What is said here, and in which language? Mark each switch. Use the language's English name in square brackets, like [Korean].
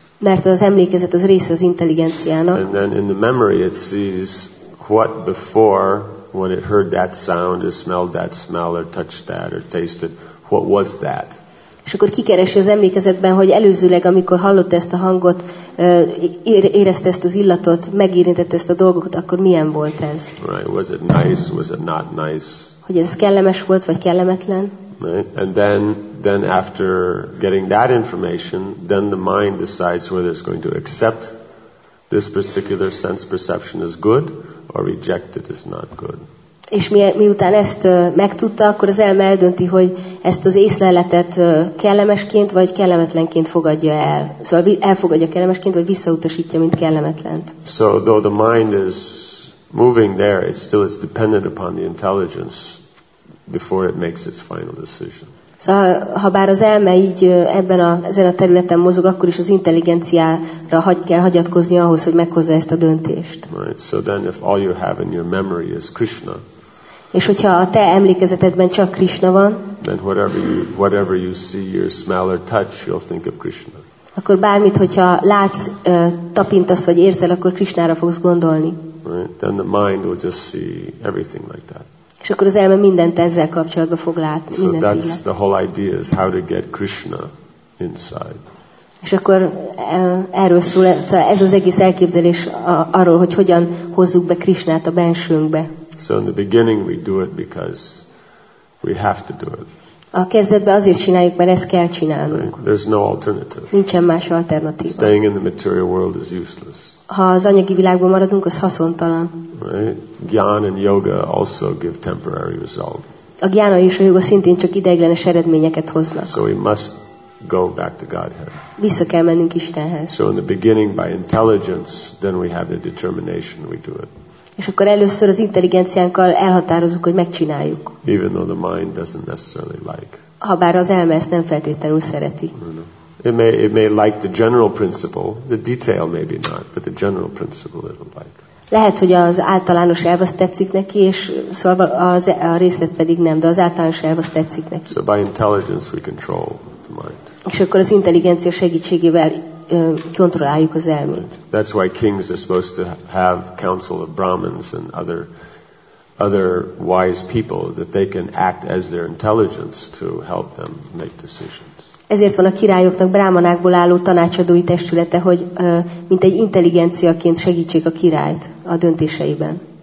[Hungarian] Mert az emlékezet az része az intelligenciának. [English] And then in the memory it sees what before, when it heard that sound, or smelled that smell, or touched that, or tasted, what was that? [Hungarian] És akkor kikeresi az emlékezetben, hogy előzőleg, amikor hallott ezt a hangot, érezte ezt az illatot, megérintette ezt a dolgot, akkor milyen volt ez? [English] Right. Was it nice? Was it not nice? [Hungarian] Hogy ez kellemes volt, vagy kellemetlen? [English] Right. And then after getting that information, then the mind decides whether it's going to accept this particular sense perception as good, or reject it as not good. [Hungarian] És miután ezt megtudta, akkor az elme eldönti, hogy ezt az észleletet kellemesként vagy kellemetlenként fogadja el. Szóval elfogadja kellemesként, vagy visszautasítja, mint kellemetlent. [English] So though the mind is moving there, it still is dependent upon the intelligence before it makes its final decision. [Hungarian] Szóval, ha bár az elme így ebben a, ezen a területen mozog, akkor is az intelligenciára kell hagyatkozni ahhoz, hogy meghozza ezt a döntést. [English] Right. So then if all you have in your memory is Krishna, [Hungarian] és hogyha a te emlékezetedben csak Krishna van, [English] then whatever you see or smell or touch, you'll think of Krishna. [Hungarian] Akkor bármit, hogyha látsz, tapintasz vagy érzel, akkor Krishnára fogsz gondolni. [English] Right. Then the mind will just see everything like that. [Hungarian] És akkor az elme mindent ezzel kapcsolatban fog látni. [English] So that's the whole idea, is how to get Krishna inside. [Hungarian] És akkor erről szól, ez az egész elképzelés arról, hogy hogyan hozzuk be Krishnát a bensőnkbe. [English] So in the beginning we do it because we have to do it. [Hungarian] A kezdetben azért csináljuk, mert ezt kell csinálnunk. [English] Right. There's no alternative. [Hungarian] Nincsen más alternatíva. [English] Staying in the material world is useless. [Hungarian] Ha az anyagi világban maradunk, az haszontalan. [English] Right. Gyan and yoga also give temporary result. [Hungarian] A gyána és a joga szintén csak ideiglenes eredményeket hoznak. [English] So we must go back to Godhead. [Hungarian] Vissza kell mennünk Istenhez. [English] So in the beginning by intelligence, then we have the determination, we do it. [Hungarian] És akkor először az intelligenciánkkal elhatározunk, hogy megcsináljuk. [English] Even though the mind doesn't necessarily like. [Hungarian] Ha bár az elme ezt nem feltétlenül szereti. [English] It may like the general principle, the detail maybe not, but the general principle it'll like. [Hungarian] Lehet, hogy az általános elv azt tetszik neki, és szóval az a részlet pedig nem, de az általános elv azt tetszik neki. [English] So by intelligence we control the mind. [Hungarian] És akkor az intelligencia segítségével kontrolláljuk az elmét. [English] That's why kings are supposed to have council of Brahmins and other wise people, that they can act as their intelligence to help them make decisions. [Hungarian] Ezért van a királyoknak brámanákból álló tanácsadói testülete, hogy mint egy intelligenciaként segítsék a királyt a döntéseiben.